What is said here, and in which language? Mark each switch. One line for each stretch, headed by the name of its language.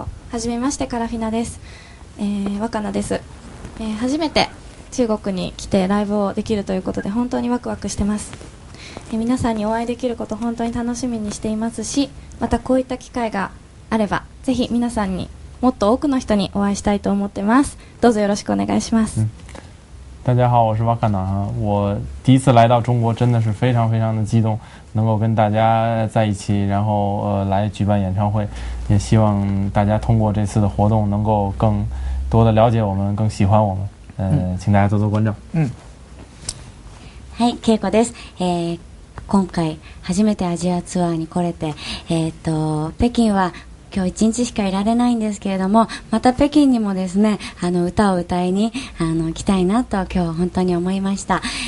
Japanese: はじめまして、カラフィナです。若菜です。初めて中国に来てライブをできるということで本当にワクワクしてます。皆さんにお会いできること本当に楽しみにしていますし、またこういった機会があればぜひ皆さんにもっと多くの人にお会いしたいと思ってます。どうぞよろしくお願いします。
Chinese: 大家好，我是若菜。我第一次来到中国，真的是非常非常的激动，能够跟大家在一起，然后来举办演唱会，也希望大家通过这次的活动能够更多的了解我们，更喜欢我们。请大家多多关照。
Japanese: はい、恵子です。今回初めてアジアツアーに来れて、北京は今日一日しかいられないんですけれども、また北京にもですね、歌を歌いに来たいなと今日本当に思いました。